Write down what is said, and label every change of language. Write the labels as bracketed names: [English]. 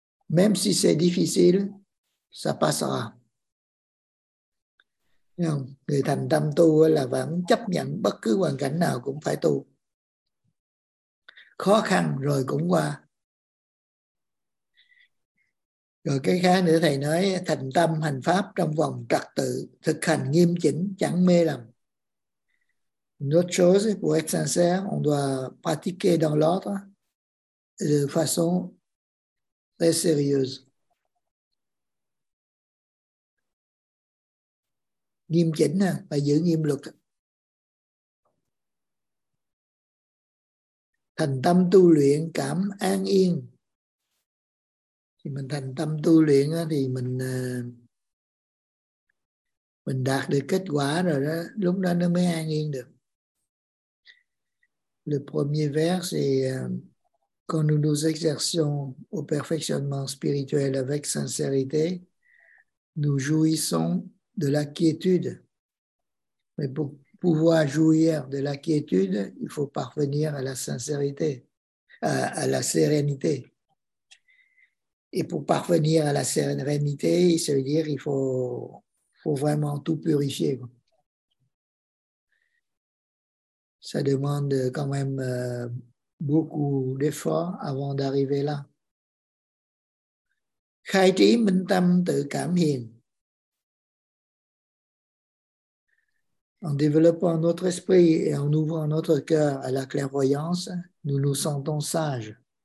[French] Même si c'est difficile, ça passera. Non. [Vietnamese] Người thành tâm tu là vẫn chấp nhận bất cứ hoàn cảnh nào cũng phải tu. Khó khăn rồi cũng qua. Rồi cái khác nữa thầy nói, thành tâm hành pháp trong vòng trật tự, thực hành nghiêm chỉnh, chẳng mê lầm. [French] Une autre chose, pour être sincère, on doit pratiquer dans l'ordre de façon très sérieuse. [Vietnamese] Nghiêm chỉnh, phải giữ nghiêm luật. Thành tâm tu luyện cảm an yên. Mình thành tâm tu luyện thì mình đạt được kết quả rồi đó, lúc đó nó mới an yên được. [French] Le premier vers c'est quand nous nous exerçons au perfectionnement spirituel avec sincérité, nous jouissons de la quiétude. Mais pour pouvoir jouir de la quiétude, il faut parvenir à la sincérité, à la sérénité. Et pour parvenir à la sérénité, ça veut dire qu'il faut vraiment tout purifier. Ça demande quand même beaucoup d'efforts avant d'arriver là. [Vietnamese] Khai trí minh tâm tự cảm hiền. [French] En développant notre esprit et en ouvrant notre cœur à la clairvoyance, nous nous sentons sages.